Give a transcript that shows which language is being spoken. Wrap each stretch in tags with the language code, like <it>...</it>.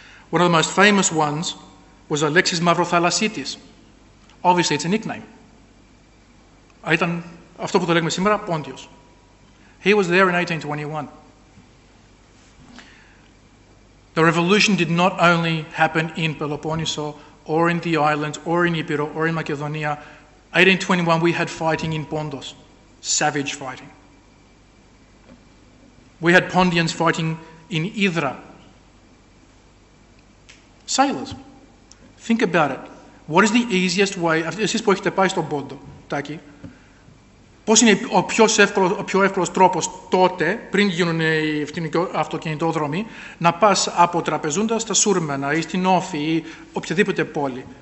<en>One of the most famous ones was Alexis Mavrothalassites. Obviously, it's a nickname.</en> <el>Ήταν αυτό που το λέγουμε σήμερα, Pontius.</el> <en>He was there in 1821. The revolution did not only happen in Peloponnesus or in the islands or in Epiro or in Macedonia. 1821, we had fighting in Pontus, savage fighting. We had Pontians fighting in Idra. Sailors, think about it.</en> <el>What is the easiest way, εσείς που έχετε πάει στον Πόντο, Τάκη, πώς είναι ο πιο εύκολος τρόπος τότε, πριν γίνουν οι αυτοκινητόδρομοι, να πας από Τραπεζούντα στα Σούρμενα ή στην Όφη ή οποιαδήποτε πόλη.</el>